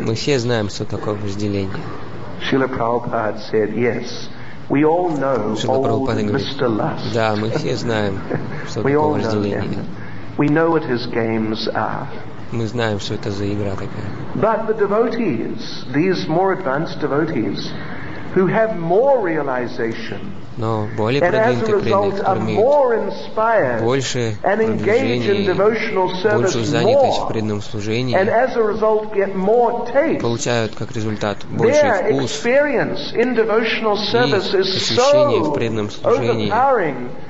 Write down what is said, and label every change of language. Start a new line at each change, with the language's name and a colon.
Russian: Мы все знаем, что такое вожделение.
English: Srila Prabhupada said, yes, we all know old Mr. Lust.
Russian: Да, мы все знаем, что
English: we
Russian: такое вожделение.
English: We know what his games are.
Russian: Мы знаем, что это за игра такая.
English: But the devotees, these more advanced devotees, who have more realization,
Russian: но более продвинутые преданные, больше продвижения, больше занятость в преданном служении, получают как результат больший вкус, и ощущение в преданном служении